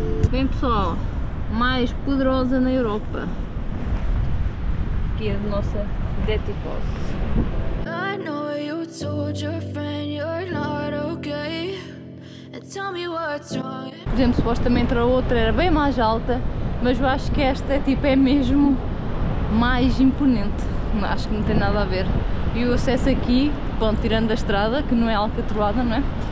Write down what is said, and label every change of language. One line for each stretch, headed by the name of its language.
Portuguese: Bem, pessoal, mais poderosa na Europa que a nossa Detifoss.
English: I know you told your friend you're not okay. Tell me what's wrong.
Portuguese: Por exemplo, supostamente a outra era bem mais alta, mas eu acho que esta tipo, é mesmo mais imponente. Acho que não tem nada a ver. E o acesso aqui, bom, tirando da estrada, que não é alcatroada, não é?